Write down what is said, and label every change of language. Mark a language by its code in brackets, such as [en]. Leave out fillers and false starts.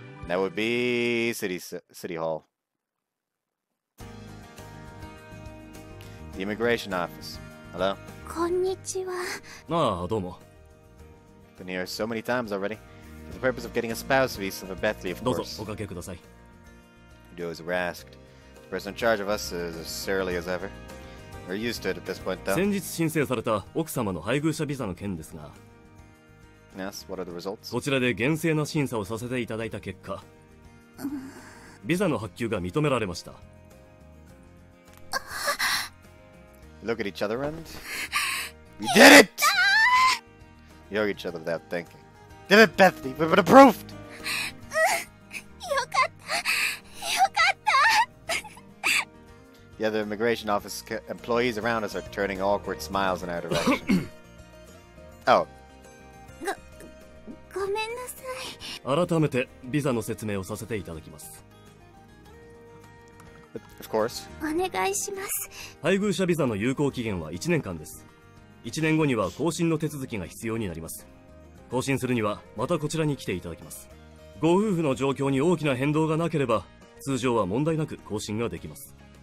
[en] That would be City Hall. The immigration office. Hello? [ja] Konnichiwa. Ah, domo. [en] Been here so many times already. For the purpose of getting a spouse visa for Bethly, of course. [ja] Dozo, okake kudasai. [en] Do as we're asked. The person in charge of us is as surly as ever. We're used to it at this point, though. [ja] 先日申請された奥様の配偶者ビザの件ですが。 [en] Yes, what are the results? [ja] こちらで厳正な審査をさせていただいた結果、ビザの発給が認められました。 [en] Look at each other and... We did it! You hug each other without thinking. Did it, Bethly! We've been approved! [ja] Yokatta! [en] The other immigration office employees around us are turning awkward smiles in our direction. Oh. [ja] ごめんなさい. 改めてビザの説明をさせていただきます。 [en] Of course. [ja] お願いします。配偶者ビザの有効期限は1年間です。1年後には更新の手続きが必要になります。更新するにはまたこちらに来ていただきます。ご夫婦の状況に大きな変動がなければ、通常は問題なく更新ができます。